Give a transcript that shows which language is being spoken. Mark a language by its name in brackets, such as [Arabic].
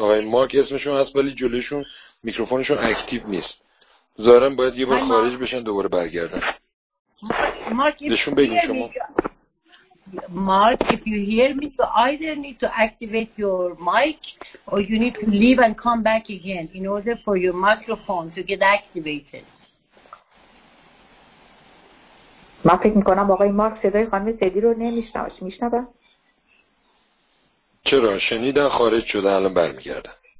[Persian] آقای مارک اسمشون هست ولی جلویشون میکروفونشون اکتیو نیست. ظاهرا باید یه بار خارج بشن دوباره برگردن. بهشون بگید شما. [English] Mark if you hear me you either need to activate your mic or you need to leave and come back again in order for your microphone to get activated. [Persian] من فکر میکنم آقای مارک صدای خانم سدی رو نمیشنوه. میشنوه؟ چرا شنیدن خارج شده الان برمیگردن.